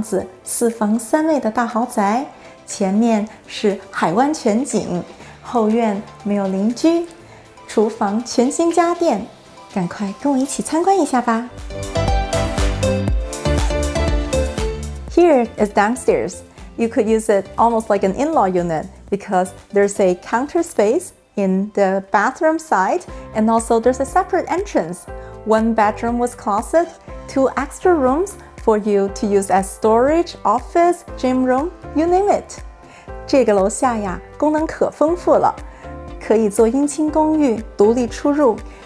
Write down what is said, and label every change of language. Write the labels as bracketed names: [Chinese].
[Chinese] 这个房子四房三卫的大豪宅, 前面是海湾全景, 后院没有邻居, 厨房全新家电, 赶快跟我一起参观一下吧。 [English] Here is downstairs. You could use it almost like an in-law unit because there's a counter space in the bathroom side, and also there's a separate entrance. One bedroom with closet, two extra rooms for you to use as storage, office, gym room, you name it. [Chinese] 这个楼下呀，功能可丰富了，可以做姻亲公寓，独立出入。